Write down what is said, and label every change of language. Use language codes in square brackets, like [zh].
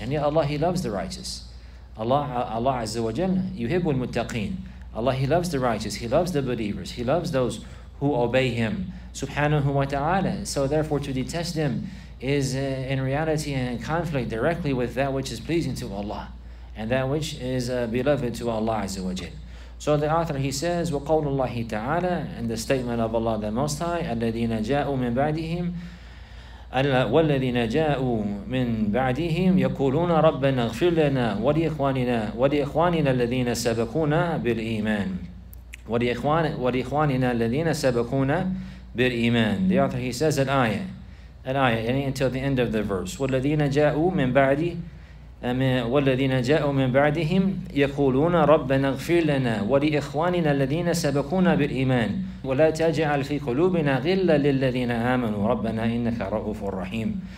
[en] And yet Allah, He loves the righteous. Allah Azza wa Jal, [ar] yuhibbul muttaqeen. [en] Allah, He loves the righteous. He loves the believers. He loves those who obey Him. Subhanahu wa ta'ala. So therefore to detest them is in reality in conflict directly with that which is pleasing to Allah and that which is beloved to Allah Azza wa Jal. So the author, he says, [ar] وَقَوْلُ اللَّهِ تَعَالَى, [en] and the statement of Allah the Most High, [ar] الَّذِينَ جَاءُوا مِن بَعْدِهِمْ وَالَّذِينَ جَاءُوا مِن بَعْدِهِمْ يَقُولُونَ رَبَّنَا اغْفِرْ لَنَا وَلِإِخْوَانِنَا الَّذِينَ سَبَقُونَا بِالْإِيمَانِ وَلِإِخْوَانِنَا الَّذِينَ سَبَقُونَا بِالْإِيمَانِ. [en] The author, he says, an ayah, yani until the end of the verse. [ar] وَالَّذِينَ جَاءُوا مِن بَعْدِ وَالَّذِينَ جَاءُوا مِن بَعْدِهِمْ يَقُولُونَ رَبَّنَا اغْفِرْ لَنَا وَلِإِخْوَانِنَا الَّذِينَ سَبَقُونَا بِالْإِيمَانِ وَلَا تَجْعَلْ فِي قُلُوبِنَا غِلًّا لِّلَّذِينَ آمَنُوا رَبَّنَا إِنَّكَ رَءُوفٌ رَّحِيمٌ.